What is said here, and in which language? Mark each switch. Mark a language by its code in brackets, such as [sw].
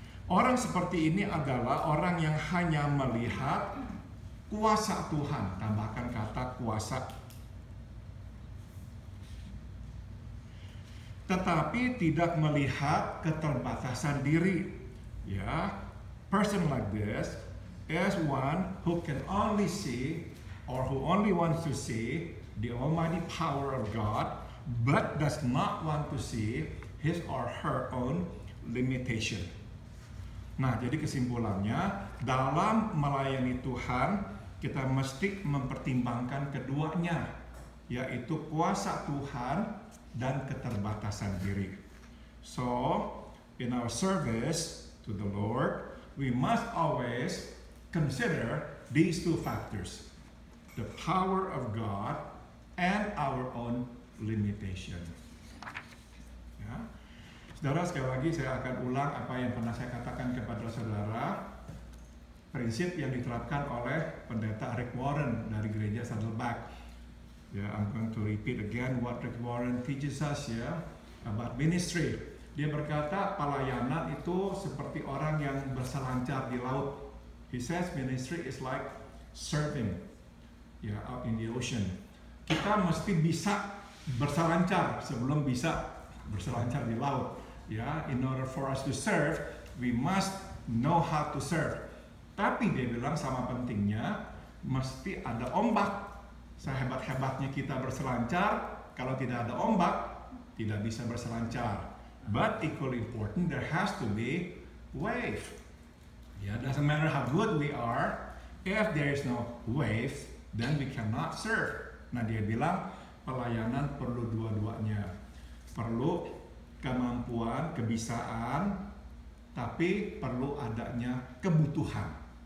[id] Orang seperti ini adalah orang yang hanya melihat kuasa Tuhan. Tambahkan kata kuasa. Tetapi tidak melihat keterbatasan diri. [en] Ya, person like this is one who can only see or who only wants to see the almighty power of God but does not want to see his or her own limitation. [id] Nah, jadi kesimpulannya, dalam melayani Tuhan kita mesti mempertimbangkan keduanya, yaitu kuasa Tuhan dan keterbatasan diri. [en] So, in our service to the Lord, we must always consider these two factors, the power of God and our own limitation. [id] Ya. Saudara, sekali lagi saya akan ulang apa yang pernah saya katakan kepada saudara, prinsip yang diterapkan oleh Pendeta Rick Warren dari Gereja Saddleback. [en] Ya, I'm going to repeat again what Rick Warren teaches us, ya, about ministry. [id] Dia berkata pelayanan itu seperti orang yang berselancar di laut. [en] He says ministry is like surfing, ya, out in the ocean. [id] Kita mesti bisa berselancar sebelum bisa berselancar di laut. [en] Ya, in order for us to serve, we must know how to serve. [id] Tapi dia bilang sama pentingnya, mesti ada ombak. Sehebat-hebatnya kita berselancar, kalau tidak ada ombak, tidak bisa berselancar. [en] But equally important, there has to be wave. Yeah, doesn't matter how good we are, if there is no wave, then we cannot serve. [id] Nah, dia bilang pelayanan perlu dua-duanya. Perlu kemampuan, kebisaan, tapi perlu adanya kebutuhan.